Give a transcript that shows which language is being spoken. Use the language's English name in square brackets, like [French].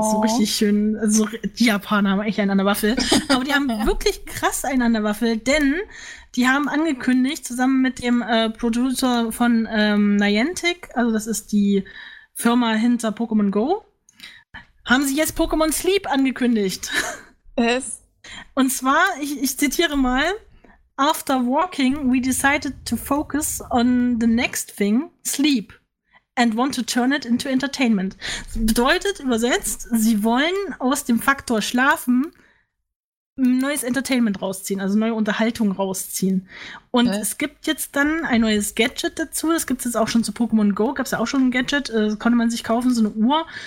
[German] So richtig schön, also die Japaner haben echt einen an der Waffel. Aber die haben wirklich krass einen an der Waffel, denn die haben angekündigt, zusammen mit dem Producer von Niantic, also das ist die Firma hinter Pokémon Go, haben sie jetzt Pokémon Sleep angekündigt. Es? [English] Und zwar, ich zitiere mal, after walking, we decided to focus on the next thing, sleep, and want to turn it into entertainment. [German] Bedeutet, übersetzt, sie wollen aus dem Faktor Schlafen ein neues Entertainment rausziehen, also neue Unterhaltung rausziehen. Und es gibt jetzt dann ein neues Gadget dazu, das gibt es jetzt auch schon zu Pokémon Go, gab es ja auch schon ein Gadget, konnte man sich kaufen, so eine Uhr.